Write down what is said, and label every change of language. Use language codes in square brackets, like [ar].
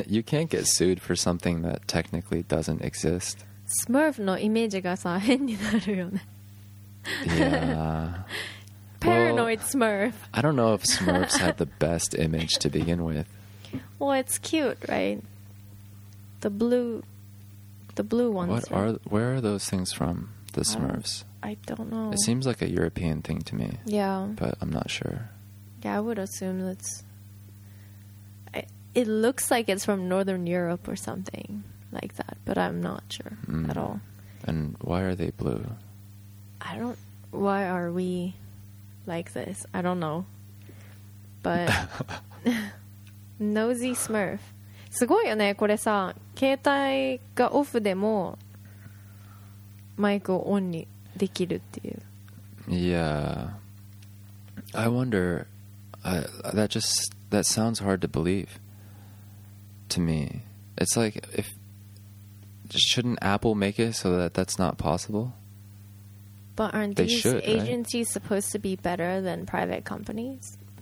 [en] You can't get sued for something that technically doesn't exist. [ja] スマーフのイメージがさ変になるよね。 [en] yeah Paranoid Smurf. Well, I don't know if Smurfs had the best image to begin with. Well, it's cute, right? The blue ones. Where are those things from? The Smurfs? I don't know. It seems like a European thing to me. Yeah. But I'm not sure. Yeah, I would assume that's... It looks like it's from Northern Europe or something like that, but I'm not sure at all. And why are they blue? I don't... Why are we... like this. I don't know. But Nosy Smurf. すごいよね。 [ja] これさ、携帯がオフでもマイクをオンにできるっていう。 [en] Yeah. I wonder, that sounds hard to believe to me. It's like, if shouldn't Apple make it so that that's not possible? But aren't they these should, agencies right? supposed to be better than private companies?